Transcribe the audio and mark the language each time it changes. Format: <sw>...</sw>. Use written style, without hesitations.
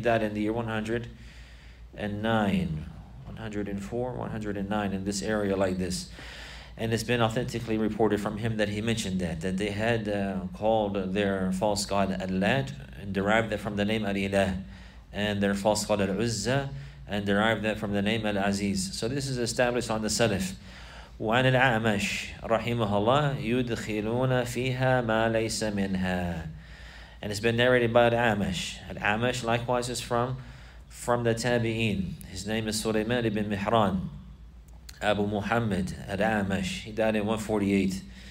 <en>He died in the year 109 in this area like this. And it's been authentically reported from him that he mentioned that they had called their false god Al-Lat and derived that from the name Al-Ilah, and their false god Al-Uzza and derived that from the name Al-Aziz. So this is established on the Salaf.</en> <ar>وعن العامش رحمه الله يدخلون فيها ما ليس منها.</ar> <en>And it's been narrated by Al-Amash. Al-Amash likewise is from the Tabi'in. His name is Sulaiman ibn Mihran Abu Muhammad Al-Amash. He died in 148.</en>